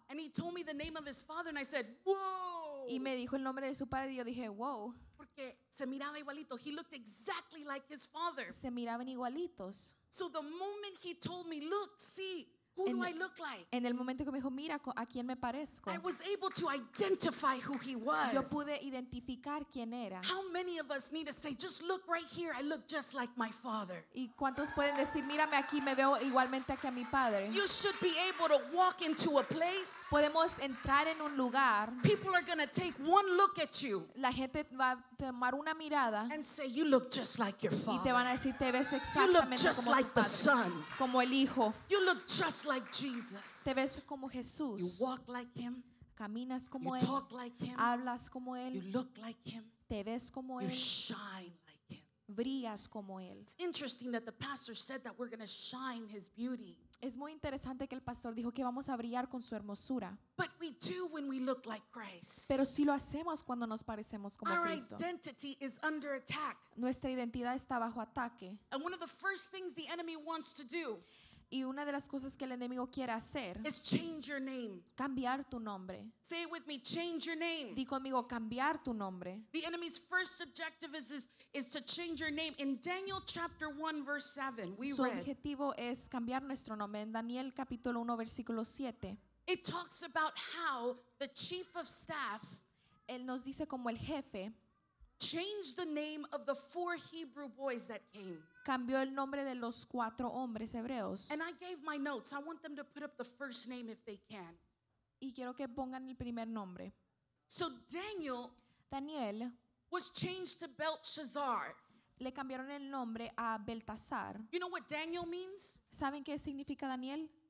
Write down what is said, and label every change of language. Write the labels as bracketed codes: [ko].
[en] And he told me the name of his father and I said, "Whoa." [es] Y me dijo el nombre de su padre y yo dije, "Wow." Porque se miraba igualito. [en] He looked exactly like his father. [es] Se miraban igualitos. [en] So the moment he told me, "Look, see, who do I look like?" [es] En el momento que me dijo, "Mira a quién me parezco." [en] I was able to identify who he was. [es] Yo pude identificar quién era. [en] How many of us need to say, "Just look right here, I look just like my father"? [es] ¿Y cuántos pueden decir, "Mírame aquí, me veo igualmente aquí a mi padre"? [en] You should be able to walk into a place. [es] Podemos entrar en un lugar. [en] People are going to take one look at you. [es] La gente va a tomar una mirada. [en] And say, "You look just like your father." [es] Y te van a decir, "Te ves exactamente como [en] just like [es] tu padre." [en] The son. [es] Como el hijo. [en] You look just like Jesus. [es] Te ves como Jesús. [en] You walk like him. [es] Caminas como [en] you [es] él. [en] Talk like him. [es] Hablas como él. [en] You look like him. [es] Te ves como [en] you [es] él. [en] You shine like him. [es] Brillas como él. [en] It's interesting that the pastor said that we're going to shine his beauty. [es] Es muy interesante que el pastor dijo que vamos a brillar con su hermosura. [en] But we do when we look like Christ. [es] Pero sí lo hacemos cuando nos parecemos como [en] Our [es] Cristo. [en] Our identity is under attack. [es] Nuestra identidad está bajo ataque. [en] And one of the first things the enemy wants to do. [es] Y una de las cosas que el enemigo quiere hacer [en] es change your name. [es] Cambiar tu nombre. [en] Say it with me, change your name. [es] Di conmigo, cambiar tu nombre. [en] The enemy's first objective is to change your name. In Daniel chapter 1 verse 7, we [es] Su objetivo es cambiar nuestro nombre. En Daniel capítulo 1 versículo 7. [en] It talks about how the chief of staff [es] Él nos dice como el jefe. [en] Change the name of the four Hebrew boys that came. [es] Cambió el nombre de los cuatro hombres hebreos. [en] And I gave my notes. I want them to put up the first name if they can. [es] Y quiero que pongan el primer nombre. [en] So Daniel, [es] Daniel [en] was changed to Belshazzar. [es] Le cambiaron el nombre a Beltasar. [en] You know what Daniel means? [es] ¿Saben qué significa Daniel?